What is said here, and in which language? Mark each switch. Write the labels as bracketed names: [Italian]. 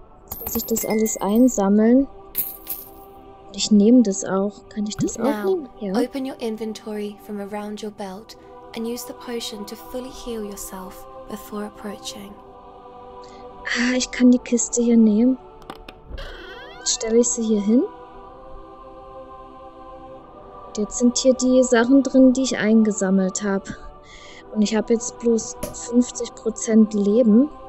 [German] Jetzt muss ich das alles einsammeln. Und ich nehme das auch. Kann ich das auch nehmen? Ja. [English] Open your inventory from around your belt and use the potion to fully heal yourself. Before approaching. [German] Ich kann die Kiste hier nehmen. Jetzt stelle ich sie hier hin. Jetzt sind hier die Sachen drin, die ich eingesammelt habe. Und ich habe jetzt bloß 50% Leben.